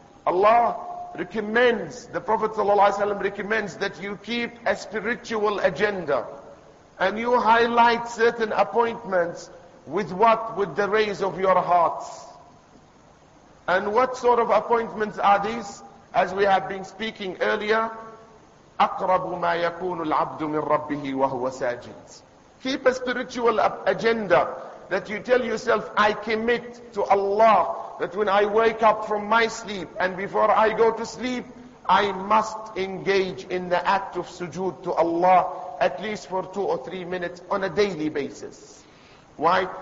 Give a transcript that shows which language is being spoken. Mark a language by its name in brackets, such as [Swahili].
[English] Allah recommends, the Prophet ﷺ recommends that you keep a spiritual agenda. And you highlight certain appointments with what? With the rays of your hearts. And what sort of appointments are these? As we have been speaking earlier, [Arabic] أَقْرَبُ مَا يَكُونُ الْعَبْدُ مِنْ رَبِّهِ وَهُوَ سَاجِدٌ. [English] Keep a spiritual agenda that you tell yourself, I commit to Allah that when I wake up from my sleep and before I go to sleep, I must engage in the act of sujood to Allah at least for 2 or 3 minutes on a daily basis. Why?